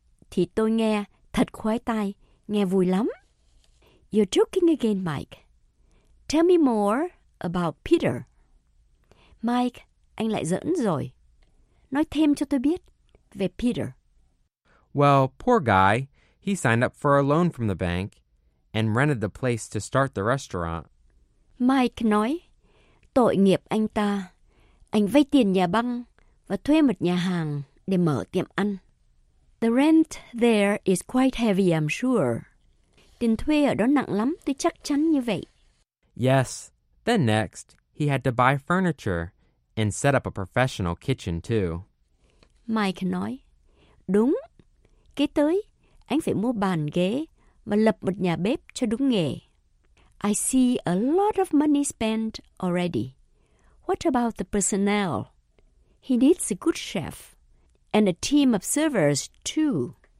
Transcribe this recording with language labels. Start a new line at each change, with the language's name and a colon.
Vietnamese: Thì tôi nghe thật khoái tai, nghe vui lắm.
English: You're joking again, Mike. Tell me more about Peter.
Vietnamese: Mike, anh lại giỡn rồi. Nói thêm cho tôi biết về Peter.
English: Well, poor guy. He signed up for a loan from the bank and rented the place to start the restaurant.
Vietnamese: Mike nói, tội nghiệp anh ta. Anh vay tiền nhà băng và thuê một nhà hàng để mở tiệm ăn.
English: The rent there is quite heavy, I'm sure.
Vietnamese: tiền thuê ở đó nặng lắm, tôi chắc chắn như vậy.
English: Yes. Then next, he had to buy furniture and set up a professional kitchen too.
Vietnamese: Mike nói, đúng. Kế tới, anh phải mua bàn ghế và lập một nhà bếp cho đúng nghề.
English: I see a lot of money spent already. What about the personnel? He needs a good chef and a team of servers too.